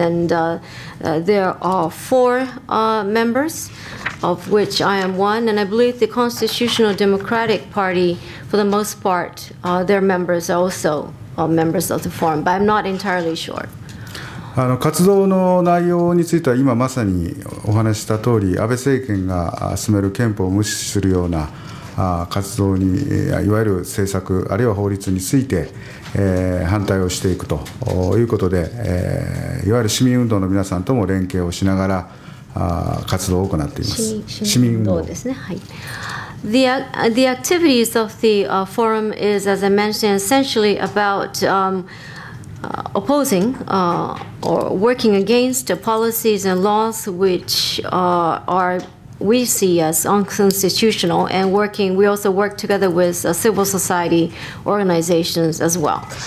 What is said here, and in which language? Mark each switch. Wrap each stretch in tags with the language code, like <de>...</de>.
<en>And there are four members, of which I am one, and I believe the Constitutional Democratic Party, for the most part, their members are also members of the forum, but I'm not entirely sure.</en> <ja>活動の内容については今まさにお話した通り、安倍政権が進める憲法を無視するような活動に、いわゆる政策あるいは法律について反対をしていくということで、いわゆる市民運動の皆さんとも連携をしながら活動を行っています。市民運動ですね、はい。</ja> <en>The activities of the forum is, as I mentioned, essentially aboutopposing or working against policies and laws which are we see as unconstitutional, and working we also work together with civil society organizations as well.</en>